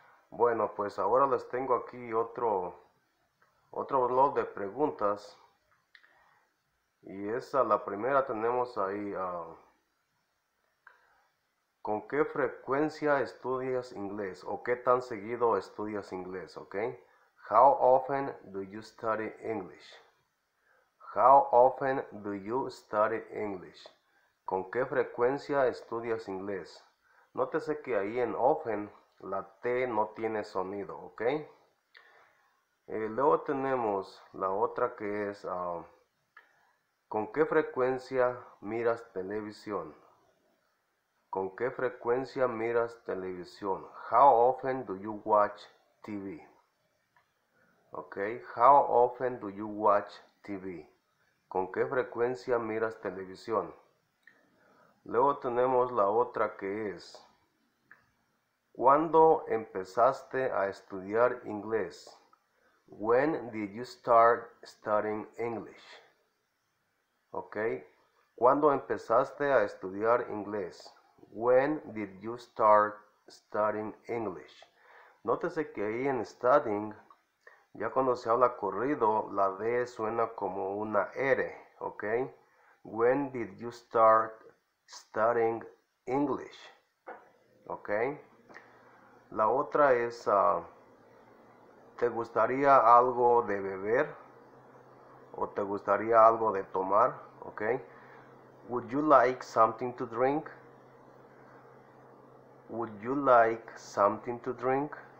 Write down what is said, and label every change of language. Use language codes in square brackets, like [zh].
[es] Bueno, pues ahora les tengo aquí otro blog de preguntas. Y esa, la primera tenemos ahí a. ¿Con qué frecuencia estudias inglés o qué tan seguido estudias inglés? Okay. [en] How often do you study English? How often do you study English? [es] ¿Con qué frecuencia estudias inglés? Nótese que ahí en often la T no tiene sonido, ¿ok? Luego tenemos la otra que es ¿con qué frecuencia miras televisión? ¿Con qué frecuencia miras televisión? [en] How often do you watch TV? Okay, how often do you watch TV? [es] ¿Con qué frecuencia miras televisión? Luego tenemos la otra que es, ¿cuándo empezaste a estudiar inglés? [en] When did you start studying English? [es] Okay, ¿cuándo empezaste a estudiar inglés? [en] When did you start studying English? [es] Nótese que ahí en studying, ya cuando se habla corrido, la D suena como una R, ¿ok? [en] When did you start studying English? ¿Ok? [es] La otra es, ¿te gustaría algo de beber? ¿O te gustaría algo de tomar? ¿Ok? [en] Would you like something to drink? Would you like something to drink?